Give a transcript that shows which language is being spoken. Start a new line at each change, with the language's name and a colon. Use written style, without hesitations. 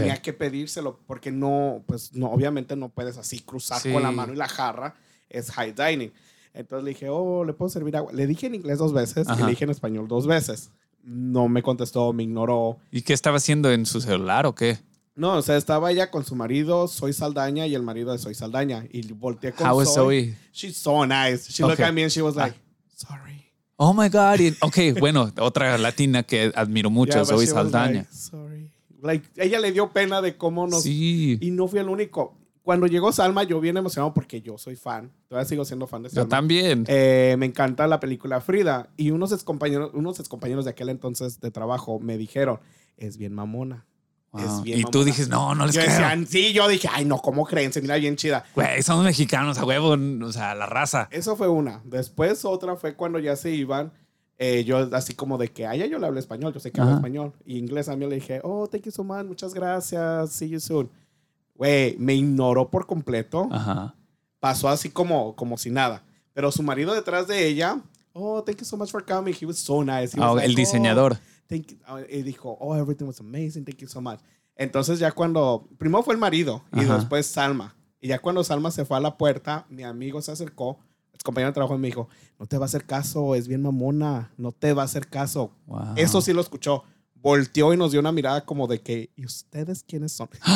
Spanish: Tenía que pedírselo, porque no, pues no, obviamente no puedes así cruzar con la mano y la jarra, es high dining. Entonces le dije, ¿le puedo servir agua? Le dije en inglés 2 veces y le dije en español 2 veces. No me contestó, me ignoró. ¿Y qué estaba haciendo en su celular o qué? No, o sea, estaba ella con su marido, Soy Saldaña, y el marido de Soy Saldaña. Y volteé con Soy. ¿Cómo es Soy?
English: She's so nice. She looked at me and she was like, sorry. Oh, my God.
Spanish: Ok, bueno, otra latina que admiro mucho, yeah, Soy Saldaña.
English: Like, sorry.
Spanish: Like, ella le dio pena de cómo nos... Sí. Y no fui el único. Cuando llegó Salma, yo bien emocionado porque yo soy fan. Todavía sigo siendo fan de Salma. Yo también. Me encanta la película Frida. Y unos excompañeros de aquel entonces de trabajo me dijeron, es bien mamona. Wow. Y tú dices, no les yo creo. Decían, sí, yo dije, ay, no, ¿cómo creen? Se mira bien chida. Güey, somos mexicanos, a huevo, o sea, la raza. Eso fue una. Después otra fue cuando ya se iban. Yo así como de que, ay, yo le hablé español, yo sé que hablo español.
English: Y inglés a mí le dije, oh, thank you so much, muchas gracias, see you soon.
Spanish: Güey, me ignoró por completo. Ajá.
English: Pasó así como si nada. Pero su marido detrás de ella, oh, thank you so much for coming, he was so nice. Was
Spanish: el like, diseñador.
English: Oh. Thank you. Y dijo, oh, everything was amazing, thank you so much.
Spanish: Entonces ya cuando, primero fue el marido y después Salma. Y ya cuando Salma se fue a la puerta, mi amigo se acercó, compañero de trabajo me dijo, no te va a hacer caso, es bien mamona, no te va a hacer caso. Wow. Eso sí lo escuchó. Volteó y nos dio una mirada como de que, ¿y ustedes quiénes son?